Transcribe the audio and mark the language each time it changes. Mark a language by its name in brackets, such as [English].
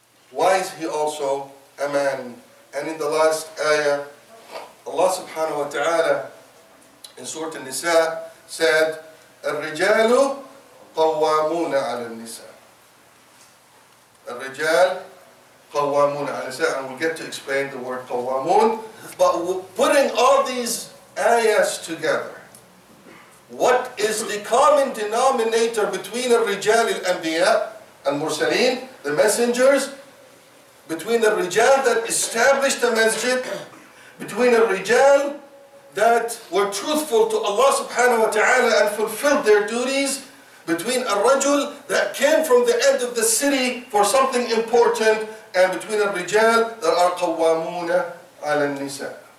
[English] Why is he also a man? And in the last ayah, Allah subhanahu wa ta'ala in Surah An-Nisa said, [Arabic] الرجال قوامون على النساء. الرجال قوامون على النساء. [English] And we'll get to explain the word قوامون. But putting all these ayahs together, what is the common denominator between [Arabic] الرجال الأنبياء المرسلين, [English] the messengers, between the rijal that established the masjid, between the rijal that were truthful to Allah subhanahu wa ta'ala and fulfilled their duties, between a rajul that came from the end of the city for something important, and between a rijal that are qawwamuna ala nisa.